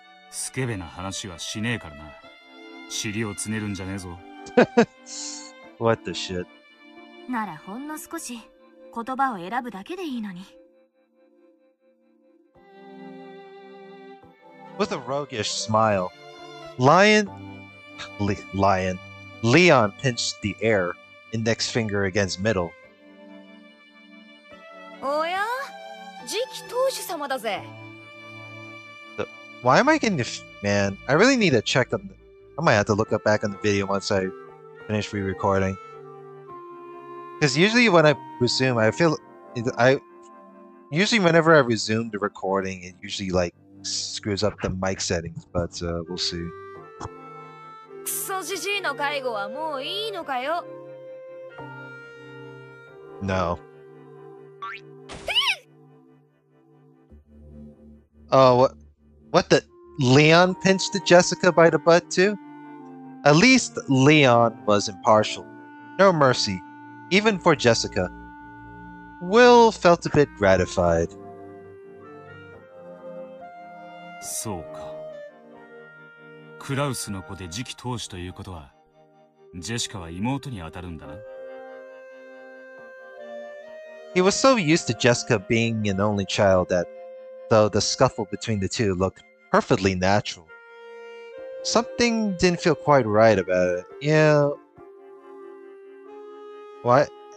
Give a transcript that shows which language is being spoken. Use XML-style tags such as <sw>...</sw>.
<ja>スケベな話はしねえからな。尻をつねるんじゃねえぞ。</ja> <en>What the shit?</en> <ja>ならほんの少し言葉を選ぶだけでいいのに。</ja> <en>With a roguish smile, Leon pinched the air, index finger against middle.</en> <ja>おや、次期当主様だぜ。</ja> <en>Why am I getting the man? I really need to check on. I might have to look up back on the video once I finish re-recording. Because usually when I resume, I feel... Usually whenever I resume the recording, it usually, like, screws up the mic settings, but, we'll see.</en> <ja>クソジジイの介護はもういいのかよ?</ja> <en>No. Oh, what the... Leon pinched Jessica by the butt, too? At least Leon was impartial. No mercy. Even for Jessica, Will felt a bit gratified.</en> <ja>そうか。クラウスの子で次期当主ということは、ジェシカは妹に当たるんだな。</ja> <en>He was so used to Jessica being an only child that, though the scuffle between the two looked perfectly natural, something didn't feel quite right about it. Yeah. What?</en>